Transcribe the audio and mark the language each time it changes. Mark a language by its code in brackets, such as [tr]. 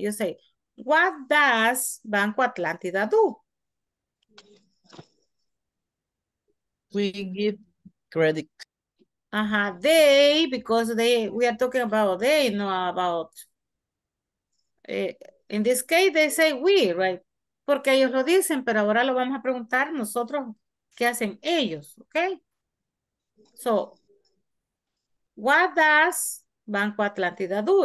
[en] You say, what does Banco Atlántida do? We give credit. They, because they, we are talking about they, not about. In this case, they say we, right? [es] Porque ellos lo dicen, pero ahora lo vamos a preguntar nosotros, ¿qué hacen ellos? [en] Okay? So, what does Banco Atlántida do?